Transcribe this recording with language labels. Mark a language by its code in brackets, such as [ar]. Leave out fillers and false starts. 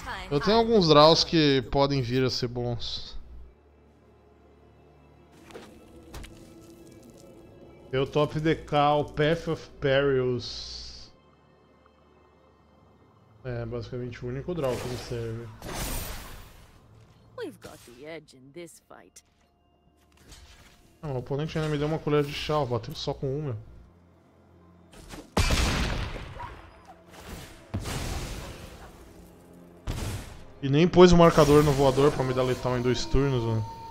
[pt] Eu tenho alguns draws que podem vir a ser bons. Eu top DK, o Path of Perils. É basicamente o único draw que me serve. [en] We've got the edge in this fight. [pt] Não, o oponente ainda me deu uma colher de chá, bateu só com uma. E nem pôs o marcador no voador pra me dar letal em 2 turnos, mano.